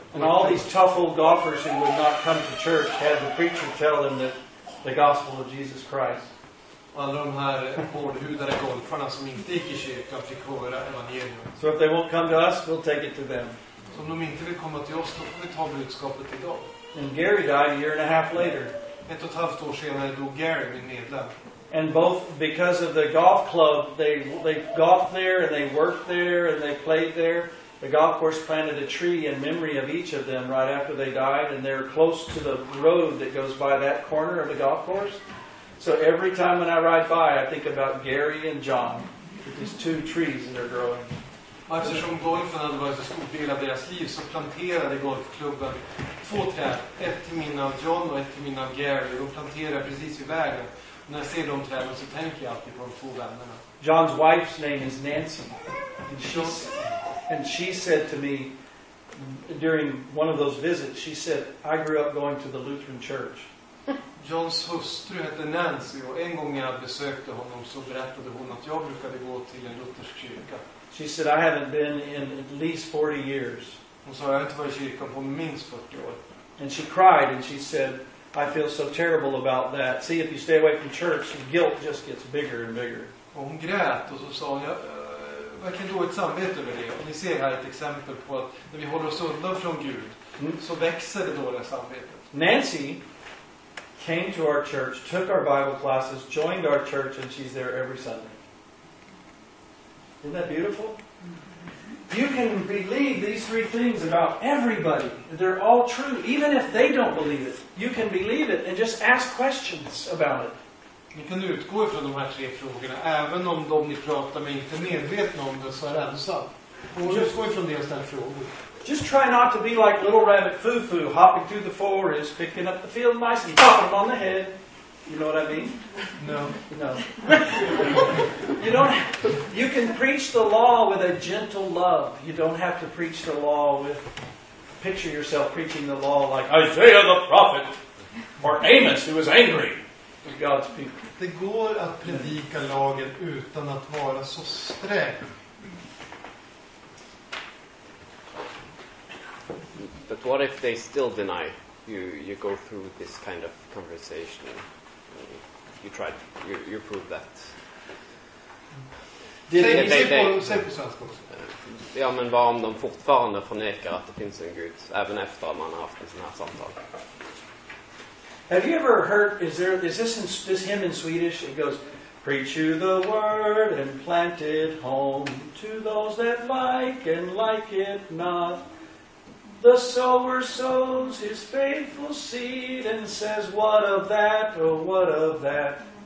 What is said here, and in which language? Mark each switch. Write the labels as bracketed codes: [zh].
[en] And all these tough old golfers who would not come to church had the preacher tell them the gospel of Jesus Christ. [sv] Alla de här hårdhudade golfarna som inte gick i kyrkan fick höra evangelium. [en] So if they won't come to us, we'll take it to them. [sv] Så om de inte vill komma till oss, då får vi ta budskapet till dem. [en] And Gary died a year and a half later. [sv] Ett och ett halvt år senare dog Gary, min medlem. [en] And both because of the golf club, they golfed there and they worked there and they played there. The golf course planted a tree in memory of each of them right after they died, and they're close to the road that goes by that corner of the golf course. So every time when I ride by, I think about Gary and John, with these two trees that are growing. [sv] Eftersom golfen hade varit en stor del av deras liv så planterade golfklubben två träd, ett till minne av John och ett till minne av Gary. De planterade precis vid vägen. När jag ser de träden så tänker jag alltid på de två vännerna. [en] John's wife's name is Nancy. And she said to me, during one of those visits, she said, I grew up going to the Lutheran church. [sv] Johns hustru hette Nancy och en gång jag besökte honom så berättade hon att jag brukade gå till en luthersk kyrka. [en] She said, I haven't been in at least 40 years. [sv] Hon sa, jag har inte varit i kyrkan på minst 40 år. [en] And she cried and she said, I feel so terrible about that. See, if you stay away from church, the guilt just gets bigger and bigger. [sv] Och hon grät och så sa hon, verkligen dåligt samvete över det. Och ni ser här ett exempel på att när vi håller oss undan från Gud så växer det dåliga samvetet. [en] Nancy came to our church, took our Bible classes, joined our church, and she's there every Sunday. Isn't that beautiful? You can believe these three things about everybody. They're all true, even if they don't believe it. You can believe it and just ask questions about it. [sv] Ni kan utgå ifrån de här tre frågorna, även om de ni pratar med inte medvetna om det, så är det ensam. Och just gå ifrån deras där frågor. [en] Just try not to be like little rabbit Fufu, hopping through the forest, picking up the field mice and popping them on the head. You know what I mean? No. No. You don't. You can preach the law with a gentle love. You don't have to preach the law with, picture yourself preaching the law like Isaiah the prophet or Amos who was angry with God's people. [sv] Det går att predika lagen utan att vara så sträng. [en] But what if they still deny you? You go through this kind of conversation. You try. You prove that. Did they? [sv] Ja, men vad om de fortfarande förnekar att det finns en Gud, även efter att man har haft en sån här samtal? [en] Have you ever heard? Is this hymn in Swedish? It goes, preach you the word and plant it home to those that like and like it not. The sower sows his faithful seed and says, what of that, oh, what of that?